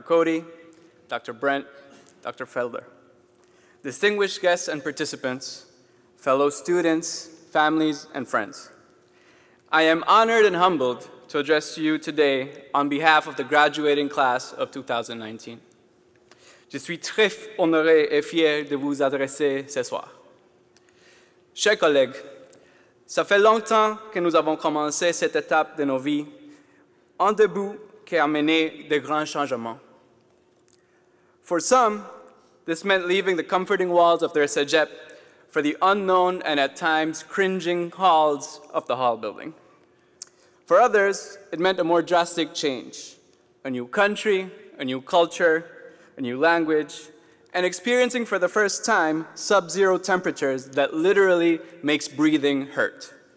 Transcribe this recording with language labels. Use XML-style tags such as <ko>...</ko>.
<en>Cody, Dr. Brent, Dr. Felder, distinguished guests and participants, fellow students, families, and friends. I am honored and humbled to address you today on behalf of the graduating class of 2019.</en> <fr>Je suis très honoré et fier de vous adresser ce soir. Chers collègues, ça fait longtemps que nous avons commencé cette étape de nos vies, un début qui a mené de grands changements.</fr> <en>For some, this meant leaving the comforting walls of their cégep for the unknown and at times cringing halls of the hall building. For others, it meant a more drastic change, a new country, a new culture, a new language, and experiencing for the first time sub-zero temperatures that literally makes breathing hurt.</en>